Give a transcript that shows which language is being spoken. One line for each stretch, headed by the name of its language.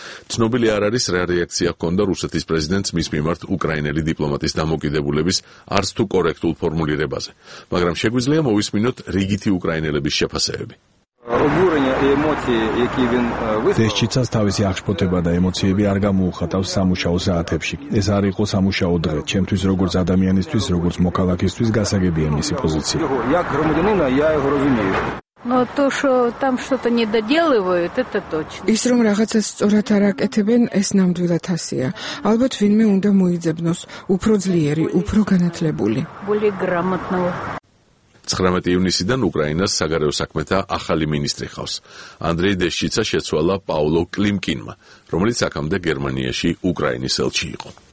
Georgian: ცნობილი არ არის, რა რეაქცია ჰქონდა რუსეთის პრეზიდენტს მის მიმართ უკრაინელი დიპლომატის დამოკიდებულების არც თუ კორექტულ ფორმულირებაზე, მაგრამ შეგვიძლია მოვისმინოთ რიგითი უკრაინელების შეფასებები. დეშჩიცას თავისი აღშფოთება და ემოციები არ გამოუხატავს სამუშაო საათებში. ეს არ იყო სამუშაო დღე. ჩემთვის როგორც ადამიანისთვის, როგორც მოქალაქისთვის გასაგებია მისი პოზიცია.
Russian: Но то, что там что-то не доделывают, это точно.
Georgian: Ис რომ რაღაცას სწორად არ აკეთებენ, ეს ნამდვილად ასეა. ალბათ ვინმე უნდა მოიძებნოს, უფრო ძლიერი, უფრო განათლებული.
Russian: Более грамотного.
Georgian: 19 ივნისიდან უკრაინას საგარეო საქმეთა ახალი მინისტრი ხავს. ანდრეი დეშჩიცა შეცვალა პაულო კლიმკინმა, რომელიც აქამდე გერმანიაში უკრაინის ელჩი იყო.